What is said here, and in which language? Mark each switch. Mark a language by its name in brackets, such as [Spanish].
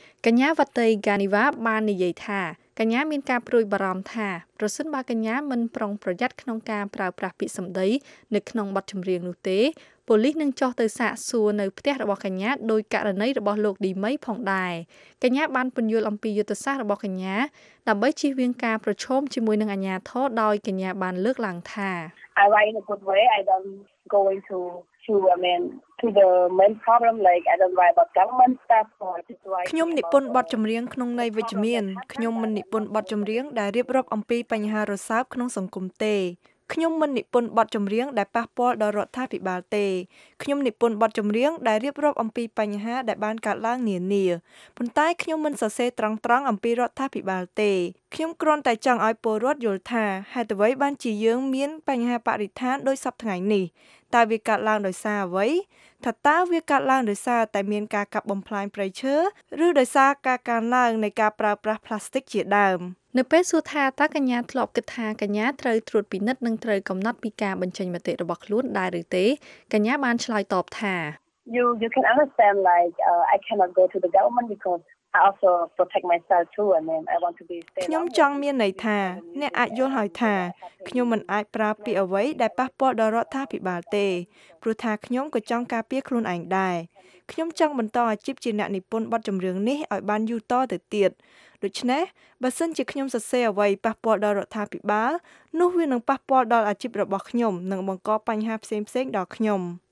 [Khmer] កញ្ញាវត្តីហ្គានីវ៉ាបាននិយាយថាកញ្ញាមានការព្រួយបារម្ភថាប្រសិនបើកញ្ញាមិនប្រុងប្រយ័ត្នក្នុងការប្រើប្រាស់ពាក្យសម្ដីនៅក្នុងបទចម្រៀងនោះទេប៉ូលីសនឹងចោះទៅសាកសួរនៅផ្ទះរបស់កញ្ញាដោយករណីរបស់លោកឌីមីផងដែរកញ្ញាបានពន្យល់អំពីយុទ្ធសាស្ត្ររបស់កញ្ញាដើម្បីជៀសវាងការប្រឈមជាមួយនឹងអាជ្ញាធរដោយកញ្ញាបានលើកឡើងថា [English] I write in a good way I don't going to I mean to the main problem like I don't write about government stuff or just write [Khmer] ខ្ញុំនិពន្ធបទចម្រៀងក្នុងន័យវិជ្ជមានខ្ញុំមិននិពន្ធបទចម្រៀងដែលរៀបរាប់អំពីបញ្ហារសើបក្នុងសង្គមទេខ្ញុំមិននិពន្ធបទចម្រៀងដែលប៉ះពាល់ដល់រដ្ឋាភិបាលទេ ខ្ញុំនិពន្ធបទចម្រៀងដែលរៀបរាប់អំពីបញ្ហាដែលបានកើតឡើងនានាប៉ុន្តែខ្ញុំមិនសរសេរត្រង់ៗអំពីរដ្ឋាភិបាលទេខ្ញុំគ្រាន់តែចង់ឲ្យពលរដ្ឋយល់ថាហេតុអ្វីបានជាយើងមានបញ្ហាបរិស្ថានដូចសពថ្ងៃនេះតើវាកើតឡើងដោយសារអ្វីថាតើវាកើតឡើងដោយសារតែមានការកាប់បំផ្លាញព្រៃឈើឬដោយសារការកើនឡើងនៃការប្រើប្រាស់ផ្លាស្ទិកជាដើម នៅពេលសួរថាតើកញ្ញាធ្លាប់គិតថាកញ្ញាត្រូវត្រួតពិនិត្យនិងត្រូវកំណត់ពីការបញ្ចេញមតិរបស់ខ្លួនដែរឬទេកញ្ញាបានឆ្លើយតបថា [English] You can understand like I cannot go to the government becauseI also protect myself too and then I want to be stay [Khmer] ខ្ញុំចង់មានន័យថាអ្នកអាចយល់ហើយថាខ្ញុំមិនអាចប្រើពាក្យអ្វីដែលប៉ះពាល់ដល់រដ្ឋាភិបាលទេព្រោះថាខ្ញុំក៏ចង់ការពារខ្លួនឯងដែរខ្ញុំចង់បន្តអាជីពជាអ្នកនិពន្ធបទចម្រៀងនេះឲ្យបានយូរតទៅទៀតដូច្នេះបើសិនជាខ្ញុំសរសេរអ្វីប៉ះពាល់ដល់រដ្ឋាភិបាលនោះវានឹងប៉ះពាល់ដល់អាជីពរបស់ខ្ញុំនិងបង្កបញ្ហាផ្សេងៗដល់ខ្ញុំ